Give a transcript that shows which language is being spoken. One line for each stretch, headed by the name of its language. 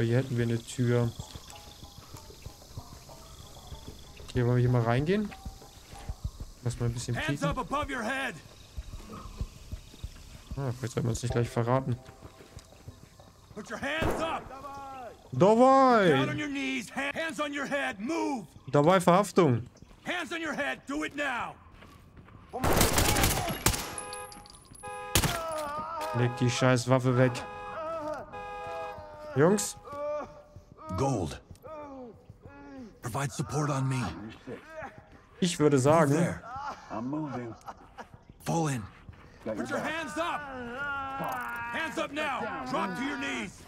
German: Hier hätten wir eine Tür. Okay, wollen wir hier mal reingehen? Lass mal ein bisschen peeken. Ah, vielleicht sollten wir uns nicht gleich verraten.
English: Put your hands up!
German: Dabei!
English: Down on your knees, hands on your head, move!
German: Dabei Verhaftung!
English: Hands on your head, do it now!
German: Leg die scheiß Waffe weg. Jungs! Gold!
English: Provide support on me!
German: Ich würde sagen.
English: I'm moving. Fall in! Put your hands up! Hands up now! Drop to your knees!